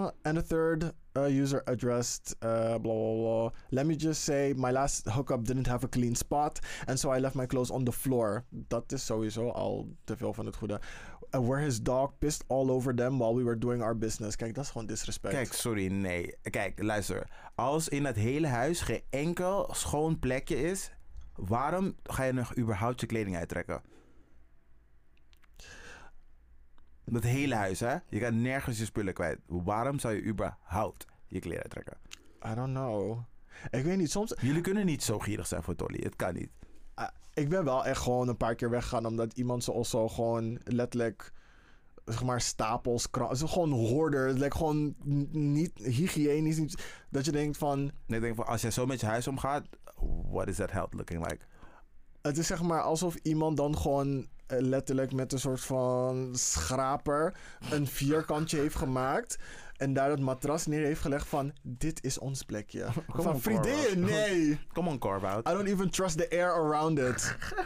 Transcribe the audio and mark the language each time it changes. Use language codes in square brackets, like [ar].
[en] And a third user addressed, blah, blah, blah. Let me just say my last hookup didn't have a clean spot. And so I left my clothes on the floor. [nl] Dat is sowieso al te veel van het goede. [en] Where his dog pissed all over them while we were doing our business. [nl] Kijk, dat is gewoon disrespect. Kijk, sorry, nee. Kijk, luister. Als in dat hele huis geen enkel schoon plekje is, waarom ga je nog überhaupt je kleding uittrekken? Dat hele huis, hè? Je gaat nergens je spullen kwijt. Waarom zou je überhaupt je kleren uittrekken? [en] I don't know. [nl] Ik weet niet, soms... Jullie kunnen niet zo gierig zijn voor Dolly. Het kan niet. Ik ben wel echt gewoon een paar keer weggegaan omdat iemand ze also gewoon letterlijk, zeg maar, stapels, ze gewoon hoorder, like gewoon niet hygiënisch, niet, dat je denkt van... Nee, ik denk van, als jij zo met je huis omgaat, [en] what is that health looking like? [nl] Het is zeg maar alsof iemand dan gewoon letterlijk met een soort van schraper een vierkantje heeft gemaakt en daar het matras neer heeft gelegd van, dit is ons plekje. Come van, vriendin, nee. [en] Come on, Corbout. I don't even trust the air around it.